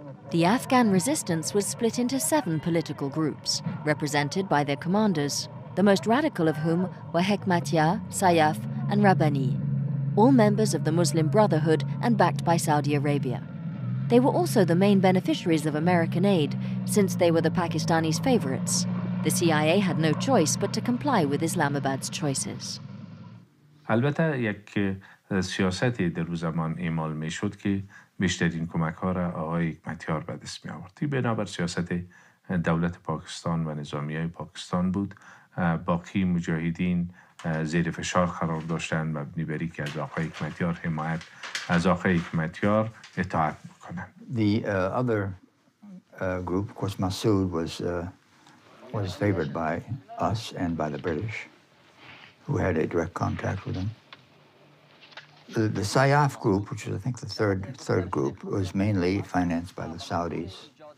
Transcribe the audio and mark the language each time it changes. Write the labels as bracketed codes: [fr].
[en] The Afghan resistance was split into seven political groups, represented by their commanders, the most radical of whom were Hekmatyar, Sayaf, and Rabbani. all members of the Muslim Brotherhood and backed by Saudi Arabia. They were also the main beneficiaries of American aid, since they were the Pakistanis' favorites. The CIA had no choice but to comply with Islamabad's choices. [fa] البته یک سیاستی در اون زمان اعمال میشد که بیشترین کمک ها را آقای حکمتیار به دست می آورد. بنابر سیاست دولت پاکستان و نظامیای پاکستان بود. باقی مجاهدین زیر فشار قرار داشتند مبنی بر اینکه از آقای حکمتیار حمایت از آقای حکمتیار اطاعت بکنند. [en] The other group, of course, Massoud was favored by us and by the British, who had a direct contact with him. The Sayaf group, which is I think the third group, was mainly financed by the Saudis.